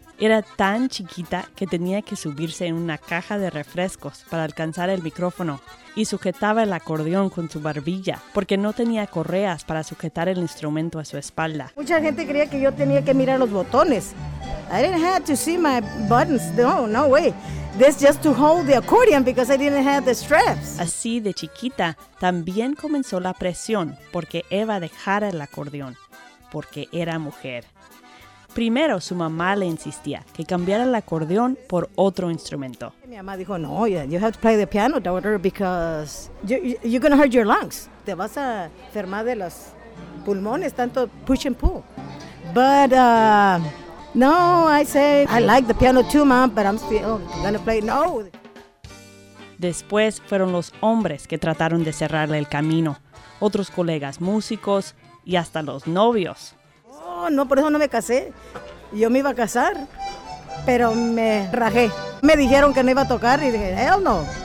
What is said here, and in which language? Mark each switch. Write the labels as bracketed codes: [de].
[es] Era tan chiquita que tenía que subirse en una caja de refrescos para alcanzar el micrófono y sujetaba el acordeón con su barbilla porque no tenía correas para sujetar el instrumento a su espalda. Mucha gente creía que yo tenía que mirar los botones. [en] I didn't have to see my buttons. No, no way. This just to hold the accordion because I didn't have the straps. [es] Así de chiquita, también comenzó la presión porque Eva dejara el acordeón, porque era mujer. Primero, su mamá le insistía que cambiara el acordeón por otro instrumento. Mi mamá dijo, no, [en] you have to play the piano, daughter, because you're going to hurt your lungs. [es] Te vas a enfermar de los pulmones, tanto [en] push and pull. But, no, I say, I like the piano too, mom, but I'm still going to play, no. [es] Después fueron los hombres que trataron de cerrarle el camino, otros colegas músicos y hasta los novios. No, por eso no me casé. Yo me iba a casar, pero me rajé. Me dijeron que no iba a tocar y dije, [en] hell no.